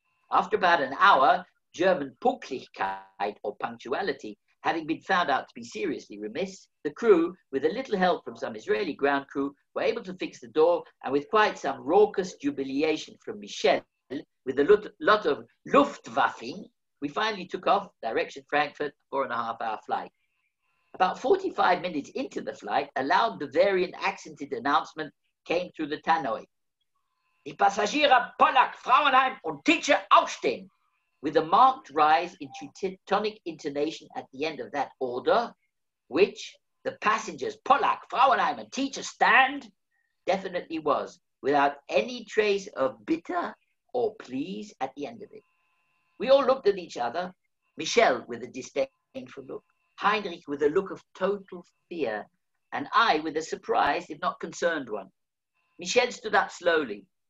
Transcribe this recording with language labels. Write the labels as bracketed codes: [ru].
[en] After about an hour, German Pünktlichkeit, or punctuality, having been found out to be seriously remiss, the crew, with a little help from some Israeli ground crew, were able to fix the door, and with quite some raucous jubilation from Michel, with a lot of Luftwaffing, we finally took off, direction Frankfurt, 4.5 hour flight. About 45 minutes into the flight, a loud Bavarian accented announcement came through the tannoy. [de] Die Passagiere Pollack, Frauenheim und Teacher aufstehen. [en] With a marked rise in Teutonic intonation at the end of that order, which the passengers Pollack, Frauenheim and Teacher stand, definitely was, without any trace of bitter or please at the end of it. We all looked at each other, Michel with a disdainful look, Heinrich with a look of total fear, and I with a surprised, if not concerned one. Michel stood up slowly.